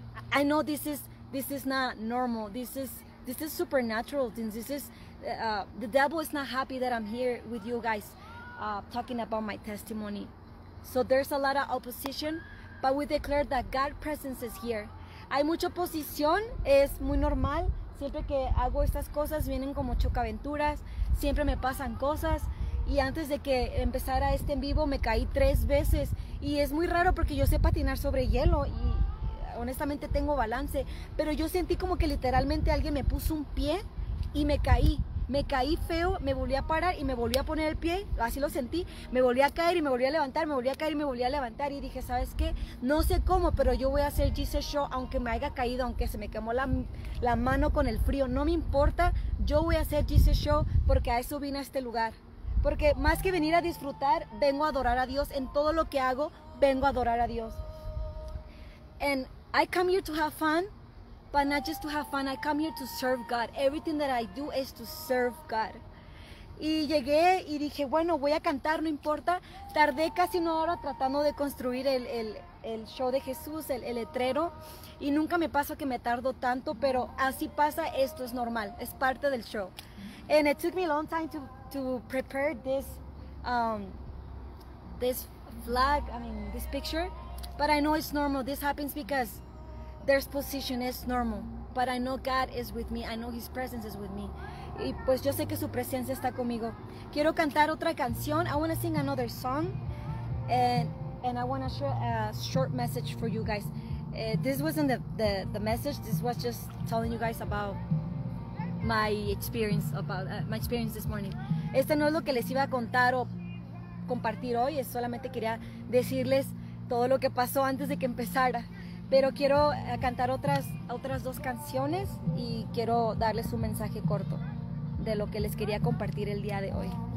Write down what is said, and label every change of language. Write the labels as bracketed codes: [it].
[en] I know this is not normal. This is supernatural. The devil is not happy that I'm here with you guys talking about my testimony. So there's a lot of opposition, but we declare that God's presence is here. [es] Hay mucha oposición, es muy normal. Siempre que hago estas cosas vienen como chocaventuras, siempre me pasan cosas. Y antes de que empezara este en vivo, me caí 3 veces. Y es muy raro porque yo sé patinar sobre hielo y honestamente tengo balance. Pero yo sentí como que literalmente alguien me puso un pie y me caí. Me caí feo, me volví a parar y me volví a poner el pie. Así lo sentí. Me volví a caer y me volví a levantar, me volví a caer y me volví a levantar. Y dije, ¿sabes qué? No sé cómo, pero yo voy a hacer Jesus Show aunque me haya caído, aunque se me quemó la mano con el frío. No me importa, yo voy a hacer Jesus Show porque a eso vine a este lugar. Porque más que venir a disfrutar, vengo a adorar a Dios. En todo lo que hago, vengo a adorar a Dios. [en] And I come here to have fun, but not just to have fun. I come here to serve God. Everything that I do is to serve God. [es] Y llegué y dije, bueno, voy a cantar, no importa. Tardé casi 1 hora tratando de construir el show de Jesús, el letrero. Y nunca me pasa que me tardo tanto, pero así pasa, esto es normal. Es parte del show. [en] And it took me a long time to prepare this flag, I mean this picture, but I know it's normal. This happens because there's position, it's normal. But I know God is with me, I know His presence is with me. [es] Y pues yo sé que su presencia está conmigo. Quiero cantar otra canción, [en] I want to sing another song, and I want to share a short message for you guys. This wasn't the message, this was just telling you guys about my experience this morning. [es] Este no es lo que les iba a contar o compartir hoy, es solamente quería decirles todo lo que pasó antes de que empezara. Pero quiero cantar otras dos canciones y quiero darles un mensaje corto de lo que les quería compartir el día de hoy.